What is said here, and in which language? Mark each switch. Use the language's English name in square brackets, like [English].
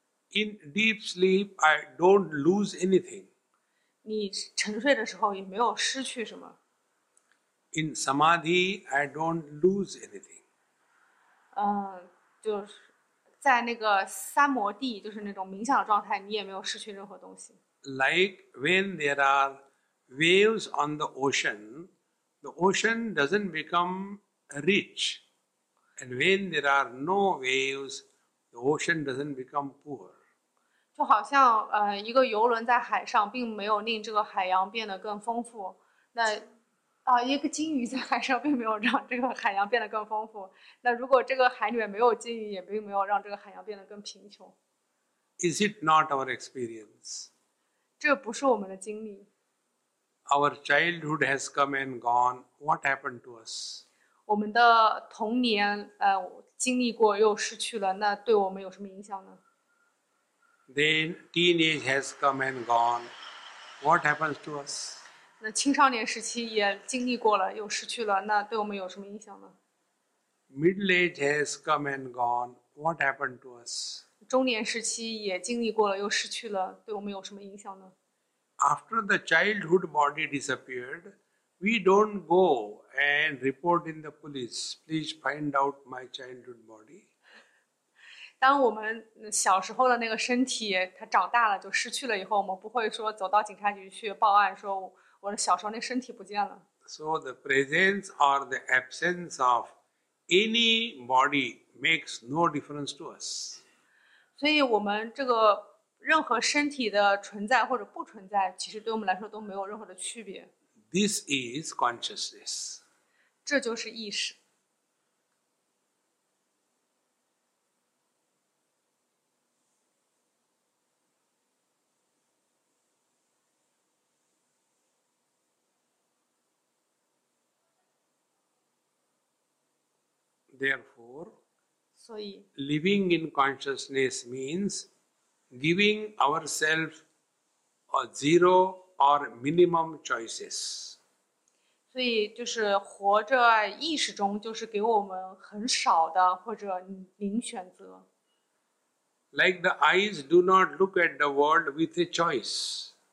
[English] In deep sleep, I don't lose anything. [Chinese] 你沉睡的时候也没有失去什么。 [English] In samadhi, I don't lose anything. [Chinese] 就是在那个三摩地, 就是那种冥想的状态, 你也没有失去任何东西。 [English] Like when there are waves on the ocean doesn't become rich. And when there are no waves, the ocean doesn't become poor. [Chinese] 就好像, 一个游轮在海上, 并没有令这个海洋变得更丰富, 那, 一个金鱼在海上, 并没有让这个海洋变得更丰富, 那如果这个海里面没有金鱼, 也并没有让这个海洋变得更贫穷。 [English] Is it not our experience? [Chinese] 这不是我们的经历。 [English] Our childhood has come and gone. What happened to us? [Chinese] 我们的童年, 经历过又失去了, 那对我们有什么影响呢? [English] Then teenage has come and gone. What happens to us? [Chinese] 那青少年时期也经历过了,又失去了, 那对我们有什么影响呢? [English] Middle age has come and gone. What happened to us? [Chinese] 中年时期也经历过了,又失去了, 对我们有什么影响呢? [English] After the childhood body disappeared, we don't go and report in the police. Please find out my childhood body. [Chinese] 当我们小时候的那个身体它长大了就失去了以后, 我们不会说走到警察局去报案说我的小时候那身体不见了。 [English] So the presence or the absence of any body makes no difference to us. [Chinese] 所以我们这个任何身体的存在或者不存在其实对我们来说都没有任何的区别。 [English] This is consciousness. [Chinese] 这就是意识。 [English] Therefore, [Chinese] 所以, [English] living in consciousness means giving ourselves a zero or minimum choices. [Chinese] 所以就是活着意识中就是给我们很少的或者零选择。 [English] Like the eyes do not look at the world with a choice.